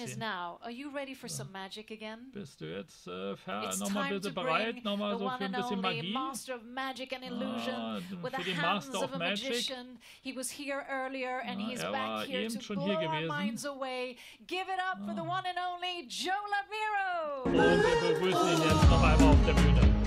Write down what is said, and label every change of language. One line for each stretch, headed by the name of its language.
English: Is now, are you ready for some magic again?
German: Bist du jetzt nochmal bitte bereit, nochmal so für ein bisschen Magie?
English: Master of Magic and Illusion, with the hands of a magician. He was here earlier and he's back here to blow our minds away. Give it up for the one and only Joe Laviro!
German: Und wir begrüßen ihn jetzt noch einmal auf der Bühne.